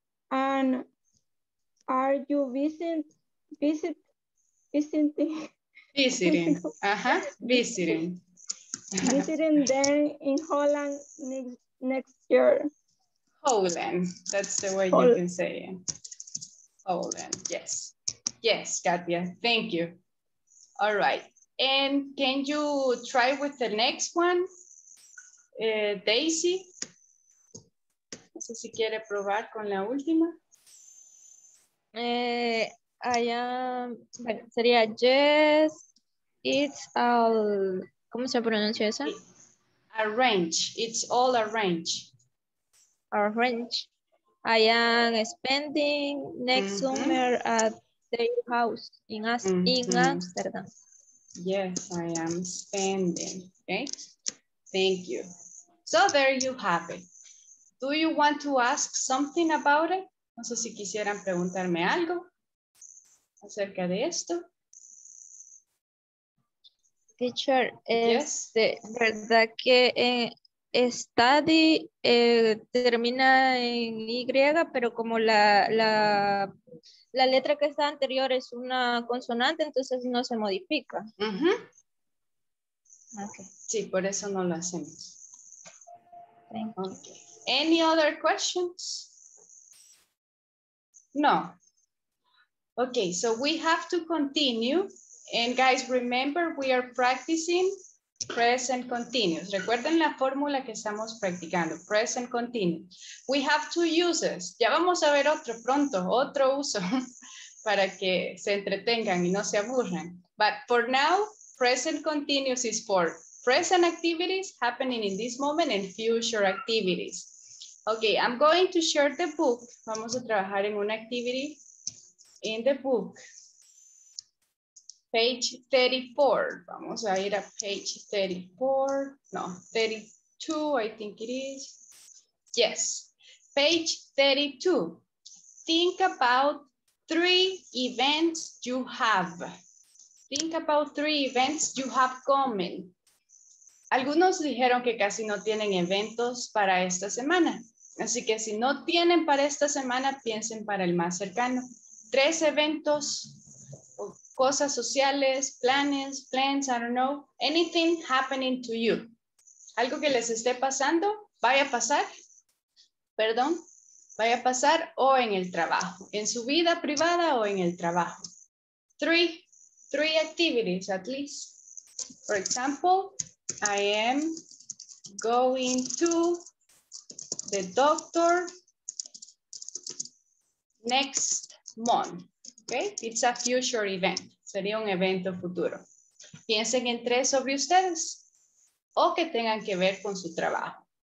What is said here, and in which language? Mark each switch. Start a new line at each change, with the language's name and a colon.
English: And are you visiting then in Holland next year. Holland, that's the way Holland. You can say it. Holland, yes. Yes, Katia, thank you. All right, and can you try with the next one? Daisy?
Spanish: No sé si quiere probar con la última.
English: I am,
Spanish: bueno, sería
English: yes, it's all,
Spanish: ¿cómo se pronuncia eso?
English: Arrange, it's all arrange. Arrange. I am spending next mm-hmm. summer at their house in, mm-hmm. in Amsterdam. Yes, I am spending, okay? Thank you. So there you have it. Do you want to ask something about it?
Spanish: No sé si quisieran preguntarme algo acerca de esto.
English: Teacher, yes.
Spanish: ¿Verdad que study termina en Y, pero como la letra que está anterior es una consonante, entonces no se modifica? Uh-huh.
English: Okay.
Spanish: Sí, por eso no lo hacemos.
English: Thank you. Okay. Any other questions? No. Okay, so we have to continue. And guys, remember, we are practicing present continuous.
Spanish: Recuerden la fórmula que estamos practicando, present continuous.
English: We have two uses.
Spanish: Ya vamos a ver otro pronto, otro uso para que se entretengan y no se aburran.
English: But for now, present continuous is for present activities happening in this moment and future activities. Okay, I'm going to share the book.
Spanish: Vamos a trabajar en una
English: activity in the book. Page 34.
Spanish: Vamos a ir a
English: page 34. No, 32, I think it is. Yes, page 32. Think about three events you have. Think about three events you have coming.
Spanish: Algunos dijeron que casi no tienen eventos para esta semana. Así que si no tienen para esta semana, piensen para el más cercano. Tres eventos, cosas sociales, planes,
English: plans, I don't know. Anything happening to you.
Spanish: Algo que les esté pasando, vaya a pasar, perdón, vaya a pasar o en el trabajo, en su vida privada o en el trabajo.
English: Three activities at least. For example, I am going to the doctor next month. Okay? It's a future event.
Spanish: Sería un evento futuro. Piensen en tres sobre ustedes o que tengan que ver con su trabajo.